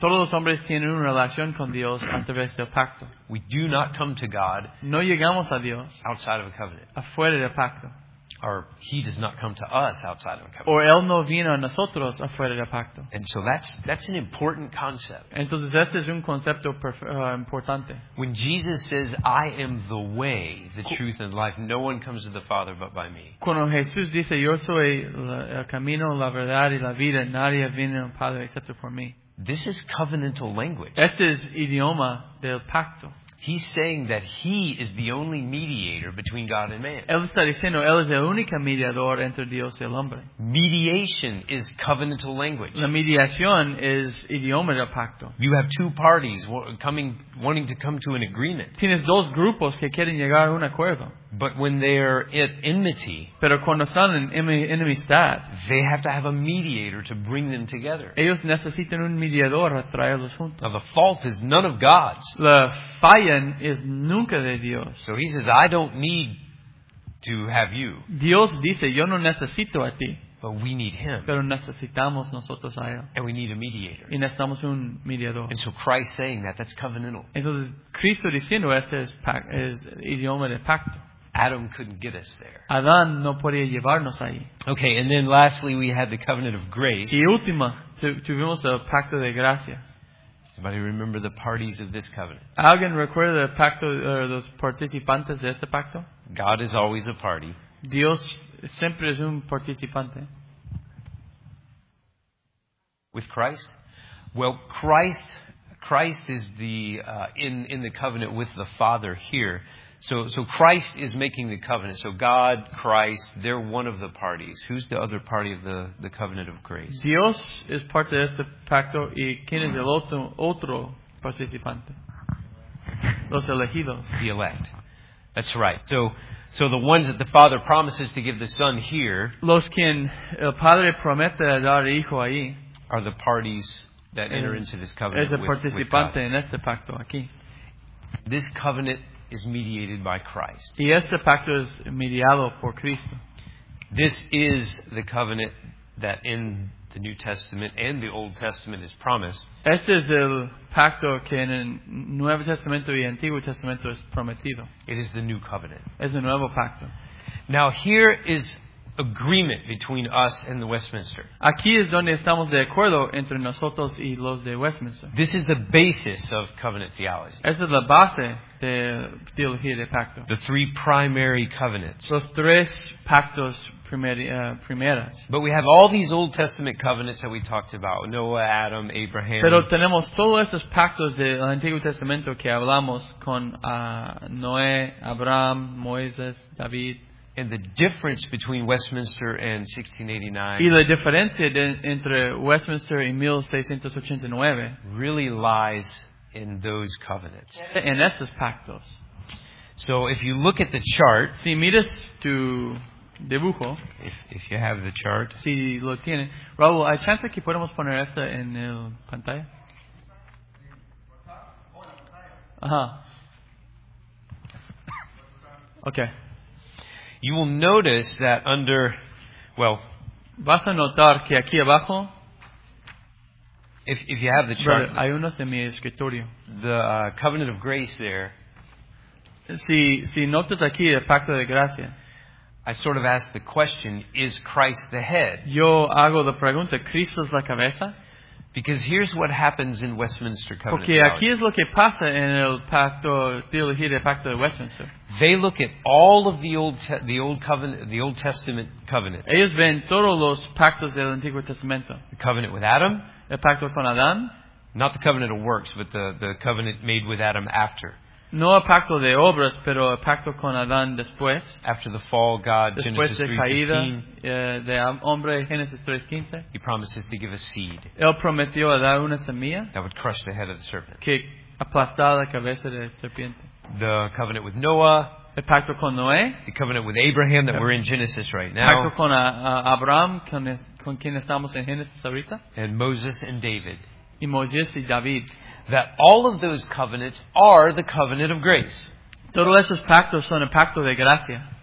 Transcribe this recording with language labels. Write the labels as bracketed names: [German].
[Spanish] Todos los hombres tienen una relación con Dios a través del pacto. [English] We do not come to God. [Spanish] No llegamos a Dios. [English] Outside of a covenant. [Spanish] Afuera del pacto. [English] Or he does not come to us outside of a covenant. [Spanish] Or él no viene a nosotros afuera del pacto. [English] And so that's an important concept. [Spanish] Entonces este es un concepto importante. [English] When Jesus says, "I am the way, the truth, and life," no one comes to the Father but by me. [Spanish] Cuando Jesús dice, "Yo soy el camino, la verdad y la vida," nadie viene al Padre excepto por mí. [English] This is covenantal language. [Spanish] Este es idioma del pacto. [English] He's saying that he is the only mediator between God and man. [Spanish] Él está diciendo, él es el único mediador entre Dios y el hombre. [English] Mediation is covenantal language. [Spanish] La mediación es idioma del pacto. [English] You have two parties wanting to come to an agreement. [Spanish] Tienes dos grupos que quieren llegar a un acuerdo. [English] But when they're at enmity, [Spanish] pero cuando están en enemistad, [English] they have to have a mediator to bring them together. [Spanish] Ellos necesitan un mediador a traerlos juntos. [English] Now the fault is none of God's. [Spanish] La falla es nunca de Dios. [English] So he says, "I don't need to have you." [Spanish] Dios dice, "Yo no necesito a ti." [English] But we need him. [Spanish] Pero necesitamos nosotros a él. [English] And we need a mediator. [Spanish] Y necesitamos un mediador. [English] And so Christ saying that, that's covenantal. [Spanish] Entonces, Cristo diciendo este es idioma de pacto. [English] Adam couldn't get us there. [Spanish] Adán no podía llevarnos ahí. [English] Okay, and then lastly we had the covenant of grace. [Spanish] Y última, tuvimos el pacto de gracia. [English] Anybody remember the parties of this covenant? [Spanish] ¿Alguien recuerda el pacto or los participantes de este pacto? [English] God is always a party. [Spanish] Dios siempre es un participante. [English] With Christ? Well, Christ is the in the covenant with the Father here. So Christ is making the covenant. So God, Christ, they're one of the parties. Who's the other party of the covenant of grace? [Spanish] Dios es parte de este pacto y quién es el otro participante? Los elegidos. [English] The elect. That's right. So the ones that the Father promises to give the Son here. [Spanish] Los quien el Padre promete dar hijo ahí. [English] Are the parties that enter into this covenant with God. [Spanish] Es el participante en este pacto aquí. [English] This covenant is mediated by Christ. [Spanish] Y este pacto es mediado por Cristo. [English] This is the covenant that in the New Testament and the Old Testament is promised. [Spanish] Este es el pacto que en el Nuevo Testamento y Antiguo Testamento es prometido. [English] It is the new covenant. [Spanish] Es el nuevo pacto. [English] Now here is agreement between us and the Westminster. [Spanish] Aquí es donde estamos de acuerdo entre nosotros y los de Westminster. [English] This is the basis of covenant theology. [Spanish] Esta es la base de teología de pacto. [English] The three primary covenants. [Spanish] Los tres pactos primeras. [English] But we have all these Old Testament covenants that we talked about: Noah, Adam, Abraham. [Spanish] Pero tenemos todos esos pactos del Antiguo Testamento que hablamos con Noé, Abraham, Moisés, David. [English] And the difference between Westminster and 1689. [Spanish] Y la diferencia entre Westminster y 1689 [English] really lies in those covenants. [Spanish] En esos pactos. [English] So if you look at the chart, [Spanish] si miras tu dibujo, [English] if you have the chart, [Spanish] si lo tiene, Raúl, ¿hay chance que podemos poner esto en el pantalla? Ajá. [English] Okay. You will notice that under, well, [Spanish] vas a notar que aquí abajo, [English] if you have the chart, [Spanish] brother, hay unos en mi escritorio. [English] The covenant of grace there. [Spanish] Si notas aquí el pacto de gracia. [English] I sort of ask the question: is Christ the head? [Spanish] Yo hago la pregunta: ¿Cristo es la cabeza? [English] Because here's what happens in Westminster Covenant. [Spanish] Porque aquí es lo que pasa en el pacto, teología del pacto de Westminster. [English] They look at all of the Old Testament covenants. [Spanish] Ellos ven todos los pactos del Antiguo Testamento. [English] The covenant with Adam. [Spanish] El pacto con Adán. [English] Not the covenant of works, but the covenant made with Adam after. [Spanish] No el pacto de obras, pero el pacto con Adán después. [English] After the fall, God, [Spanish] después [English] Genesis [Spanish] 3:15. Hombre, Genesis 3:15. [English] He promises to give a seed. [Spanish] Él prometió dar una semilla. [English] That would crush the head of the serpent. [Spanish] Que aplastara la cabeza de la serpiente. [English] The covenant with Noah. [Spanish] El pacto con Noé. [English] The covenant with Abraham that we're in Genesis right now. [Spanish] Pacto con Abraham, con quien estamos en Genesis ahorita. [English] And Moses and David. [Spanish] Y Moisés y David. [English] That all of those covenants are the covenant of grace. [Spanish] Todos esos pactos son el pacto de gracia.